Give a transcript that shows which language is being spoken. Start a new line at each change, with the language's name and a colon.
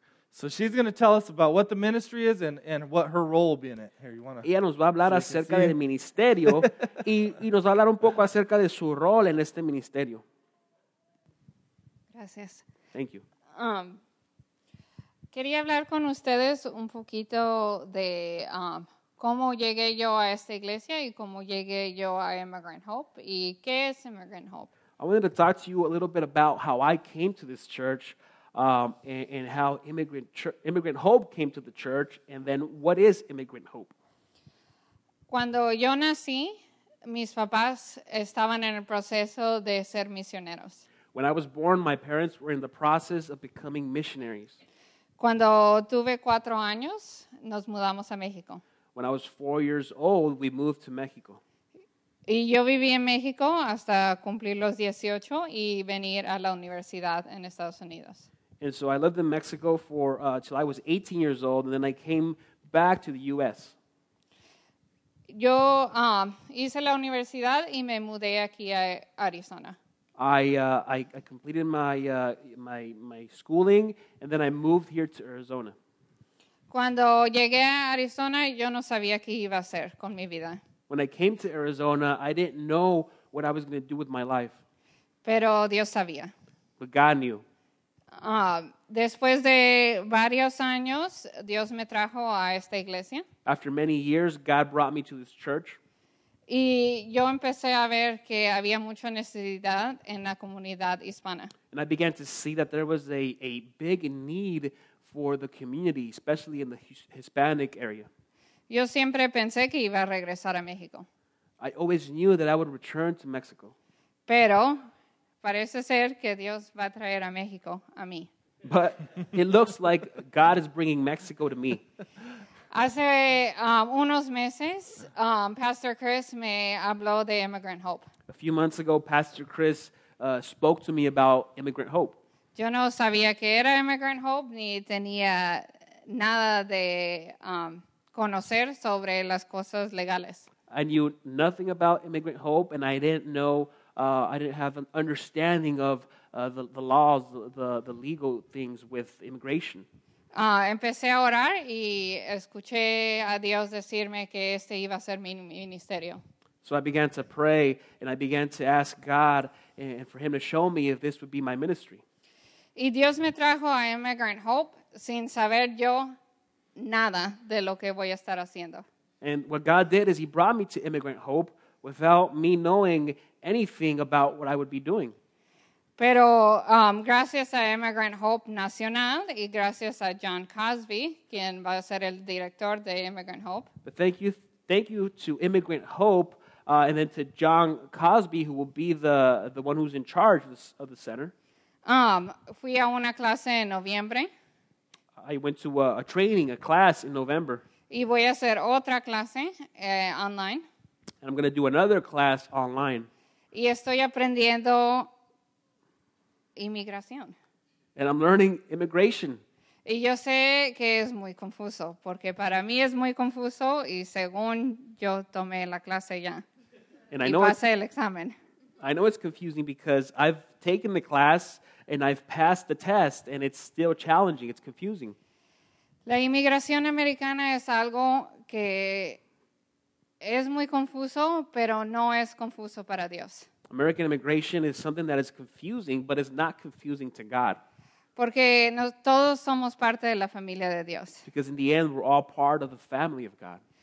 English: So she's going to tell us about what the ministry is and what her role will be in it. Here, you want to?
Spanish: Ella nos va a hablar acerca del ministerio y nos va a hablar un poco acerca de su rol en este ministerio. Gracias.
English: Thank you.
Spanish: Quería hablar con ustedes un poquito de cómo llegué yo a esta iglesia y cómo llegué yo a Immigrant Hope y qué es Immigrant Hope.
English: I wanted to talk to you a little bit about how I came to this church and how Immigrant Hope came to the church, and then what is Immigrant Hope?
Spanish: Cuando yo nací, mis papás estaban en el proceso de ser misioneros.
English: When I was born, my parents were in the process of becoming missionaries.
Spanish: Cuando tuve 4 años, nos mudamos a México.
English: When I was 4 years old, we moved to Mexico.
Spanish: Y yo viví en México hasta cumplir los 18 y venir a la universidad en Estados Unidos.
English: And so I lived in Mexico for till I was 18 years old, and then I came back to the U.S.
Spanish: Yo hice la universidad y me mudé aquí a Arizona.
English: I completed my schooling, and then I moved here to Arizona.
Spanish: Cuando llegué a Arizona, yo no sabía qué iba a hacer con mi vida.
English: When I came to Arizona, I didn't know what I was going to do with my life.
Spanish: Pero Dios sabía.
English: But God knew.
Spanish: Después de varios años, Dios me trajo a esta iglesia.
English: After many years, God brought me to this church.
Spanish: Y yo empecé a ver que había mucha necesidad en la comunidad hispana.
English: And I began to see that there was a big need for the community, especially in the Hispanic area.
Spanish: Yo siempre pensé que iba a regresar a México.
English: I always knew that I would return to Mexico.
Spanish: Pero parece ser que Dios va a traer a México a mí.
English: But it looks like God is bringing Mexico to me.
Spanish: Hace unos meses, Pastor Chris me habló de Immigrant Hope.
English: A few months ago, Pastor Chris spoke to me about Immigrant Hope.
Spanish: Yo no sabía que era Immigrant Hope, ni tenía nada de conocer sobre las cosas legales.
English: I knew nothing about Immigrant Hope, and I didn't know, I didn't have an understanding of the laws, the legal things with immigration.
Spanish: Empecé a orar y escuché a Dios decirme que este iba a ser mi ministerio.
English: So I began to pray and I began to ask God and for him to show me if this would be my ministry.
Spanish: Y Dios me trajo a Immigrant Hope sin saber yo nada de lo que voy a estar haciendo.
English: And what God did is he brought me to Immigrant Hope without me knowing anything about what I would be doing.
Spanish: Pero gracias a Immigrant Hope Nacional y gracias a John Cosby, quien va a ser el director de Immigrant Hope.
English: But thank you to Immigrant Hope and then to John Cosby, who will be the one who's in charge of the center.
Spanish: Fui a una clase en noviembre.
English: I went to a training, a class in November.
Spanish: Y voy a hacer otra clase online.
English: And I'm going to do another class online.
Spanish: Y estoy aprendiendo inmigración.
English: And I'm learning immigration.
Spanish: Y yo sé que es muy confuso, porque para mí es muy confuso, y según yo tomé la clase ya,
English: and
Spanish: y pasé el examen.
English: I know it's confusing because I've taken the class, and I've passed the test, and it's still challenging. It's confusing.
Spanish: La inmigración americana es algo que es muy confuso, pero no es confuso para Dios.
English: American immigration is something that is confusing, but it's not confusing to God.
Spanish: Porque todos somos parte de la familia de Dios.
English: Because in the end, we're all part of the family of God.